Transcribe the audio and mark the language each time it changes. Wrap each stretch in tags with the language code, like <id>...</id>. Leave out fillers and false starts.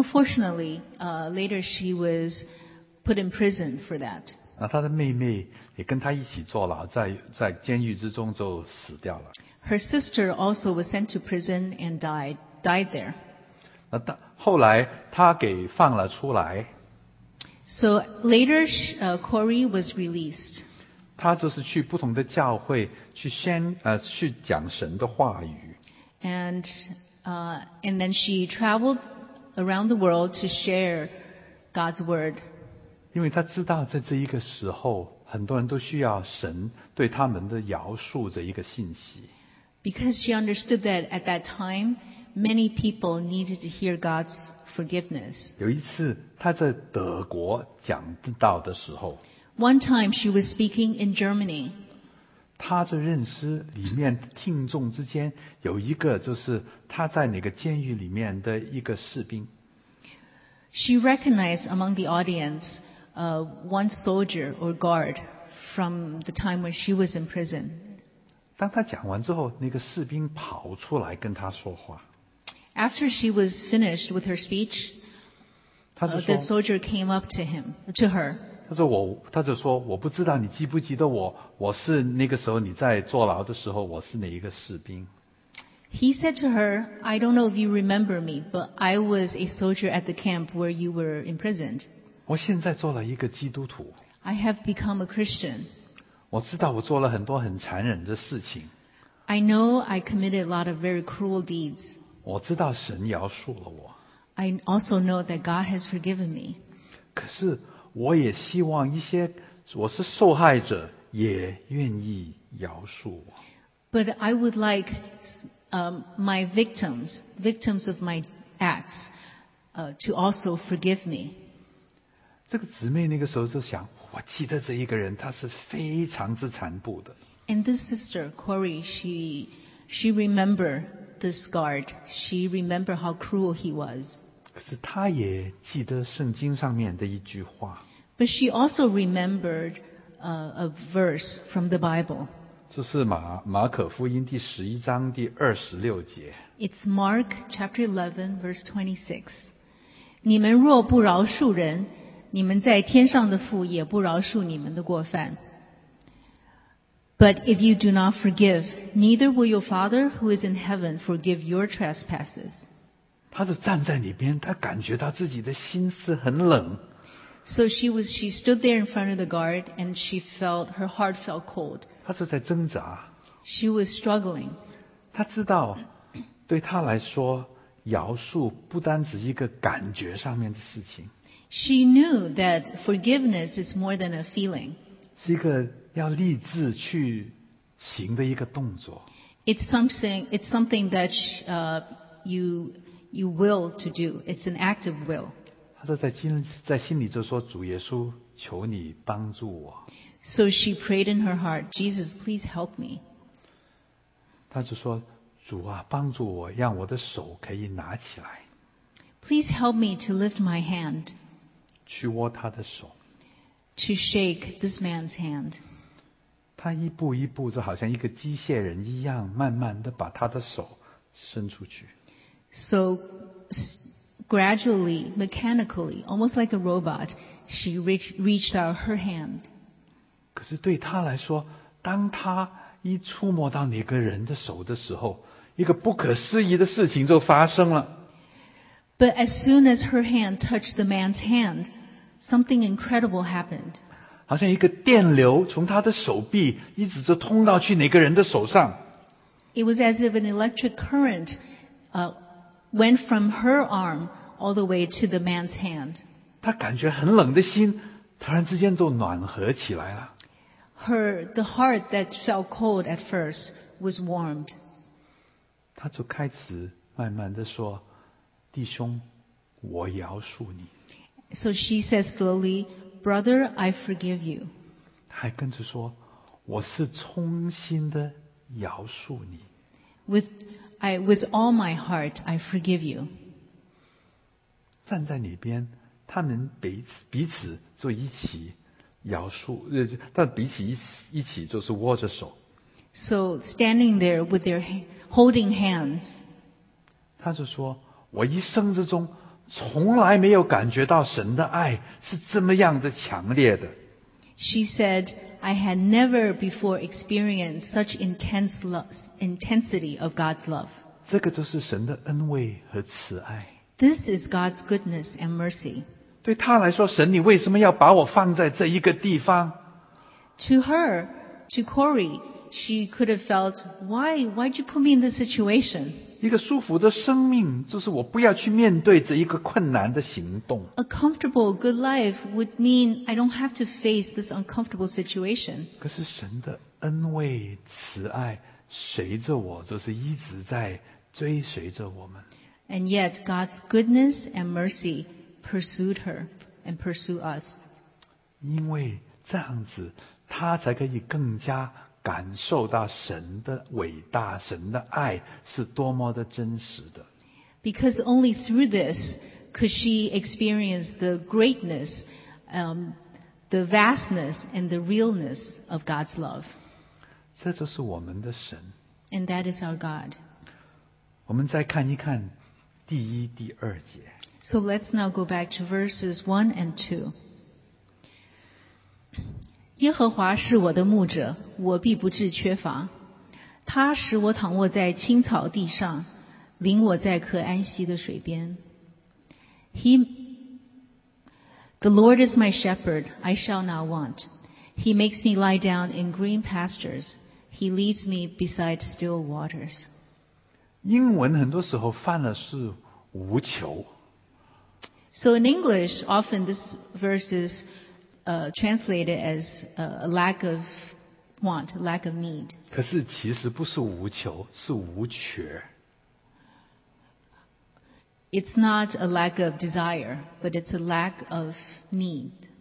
<en>Unfortunately, later she was put in prison for that.</en> <zh>那她的妹妹也跟她一起坐牢，在监狱之中就死掉了。</zh> <en>Her sister also was sent to prison and died there.</en> <zh>那后来她给放了出来。</zh> <en>So later, Corey was released.</en> <zh>他就是去不同的教会去讲神的话语。</zh> <en>And then she traveled around the world to share God's word.</en> <zh>因为他知道在这一个时候，很多人都需要神对他们的饶恕这一个信息。</zh> <en>Because she understood that at that time, many people needed to hear God's forgiveness.</en> <zh>有一次他在德国讲道的时候，</zh> <en>One time she was speaking in Germany.</en> <zh>她就认识里面听众之间有一个就是她在那个监狱里面的一个士兵。</zh> <en>She recognized among the audience one soldier or guard from the time when she was in prison.</en> <zh>当她讲完之后，那个士兵跑出来跟她说话。</zh> <en>After she was finished with her speech, the soldier came up to her.</en> <zh>他就说我不知道你记不记得我是那个时候你在坐牢的时候我是哪一个士兵。</zh> <en>He said to her, I don't know if you remember me, but I was a soldier at the camp where you were imprisoned.</en> <zh>我现在做了一个基督徒。</zh> <en>I have become a Christian.</en> <zh>我知道我做了很多很残忍的事情。</zh> <en>I know I committed a lot of very cruel deeds.</en> <zh>我知道神饶恕了我。</zh> <en>I also know that God has forgiven me.</en> <zh>可是我也希望一些我是受害者也愿意饶恕我。</zh> <en>But I would like my victims of my acts to also forgive me.</en> <zh>这个姊妹那个时候就想，我记得这一个人，他是非常之残酷的。</zh> <en>And this sister Corey, she remembered this guard. She remembered how cruel he was.</en> <zh>可是他也记得圣经上面的一句话。</zh> <en>But she also remembered a verse from the Bible.</en> <zh>这是马可福音第十一章第二十六节。</zh> <en>It's Mark chapter 11 verse 26.</en> <zh>你们若不饶恕人，你们在天上的父也不饶恕你们的过犯。</zh> <en>But if you do not forgive, neither will your Father who is in heaven forgive your trespasses.</en> <zh>他就站在里边，他感觉到自己的心思很冷。</zh> <en>So she stood there in front of the guard and she felt her heart felt cold.</en> <zh>她是在挣扎。</zh> <en>She was struggling.</en> <zh>她知道，对她来说，饶恕不单只是一个感觉上面的事情。</zh> <en>She knew that forgiveness is more than a feeling.</en> <zh>是一个要立志去行的一个动作。</zh> <en>It's something that you will to do. It's an act of will.</en> <zh>在心里就说主耶稣求你帮助我</zh> <en>So she prayed in her heart Jesus please help me</en> <zh>她就说主啊帮助我让我的手可以拿起来</zh> <en>Please help me to lift my hand</en> <zh>去握她的手</zh> <en>To shake this man's hand</en> <zh>她一步一步就好像一个机械人一样慢慢地把她的手伸出去</zh> <en>SoGradually, mechanically, almost like a robot, she reached out her hand.</en> <zh>可是对她来说，当她一触摸到那个人的手的时候，一个不可思议的事情就发生了。</zh> <en>But as soon as her hand touched the man's hand, something incredible happened.</en> <zh>好像一个电流从她的手臂一直就通到去那个人的手上。</zh> <en>It was as if an electric current, went from her arm all the way to the man's hand.</en> <zh>她感觉很冷的心突然之间就暖和起来了。</zh> <en>The heart that felt cold at first was warmed.</en> <zh>她就开始慢慢地说弟兄我饶恕你。</zh> <en>So she says slowly, brother, I forgive you.</en> <zh>她还跟着说我是衷心地饶恕你。</zh> <en>With all my heart, I forgive you.</en> <zh>站在那边，他们彼此就一起饶恕，但彼此一起就是握着手。</zh> <en>So standing there with their holding hands.</en> <zh>他就说：“我一生之中从来没有感觉到神的爱是这么样的强烈的。”</zh> <en>She said, "I had never before experienced such intense love. Intensity of God's love.</en> <zh>这个就是神的恩惠和慈爱。</zh> <en>This is God's goodness and mercy.</en> <zh>对他来说，神，你为什么要把我放在这一个地方？</zh> <en>To her, to Corey, she could have felt, why'd you put me in this situation?</en> <zh>一个舒服的生命，就是我不要去面对这一个困难的行动。</zh> <en>A comfortable, good life would mean I don't have to face this uncomfortable situation.</en> <zh>可是神的恩惠慈爱。随着我就是一直在追随着我们。</zh> <en>And yet God's goodness and mercy pursued her and pursue us.</en> <zh>因为这样子他才可以更加感受到神的伟大神的爱是多么的真实的。</zh> <en>Because only through this could she experience the greatness, the vastness and the realness of God's love.</en> <zh>这就是我们的神。</zh> <en>And that is our God.</en> <zh>我们再看一看第一、第二节。</zh> <en>So let's now go back to verses 1 and 2.</en> <zh>耶和华是我的牧者，我必不致缺乏。他使我躺卧在青草地上，领我在可安息的水边。</zh> <en>The Lord is my shepherd, I shall not want. He makes me lie down in green pastures. He leads me beside still waters.</en> <zh>英文很多时候翻的是无求。</zh> <en>So in English, often this verse is translated as a lack of want, lack of need.</en> <zh>可是其实不是无求，是无缺。</zh> <en>It's not a lack of desire, but it's a lack of need.</en>